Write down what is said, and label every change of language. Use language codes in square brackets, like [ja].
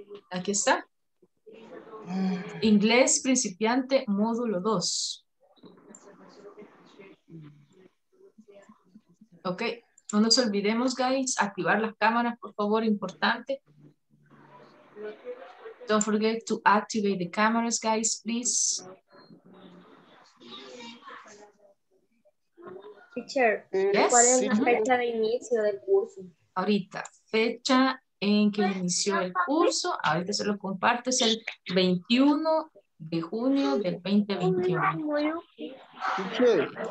[es] Aquí está. Inglés principiante, módulo 2. Ok, no nos olvidemos, guys, activar las cámaras, por favor, importante. [en] Don't forget to activate the cameras, guys, please. Teacher, yes, [es] ¿cuál es la fecha de inicio del curso? Ahorita, fecha en que inició el curso, ahorita se lo comparto, es el 21 de junio del 2021. [en] Teacher.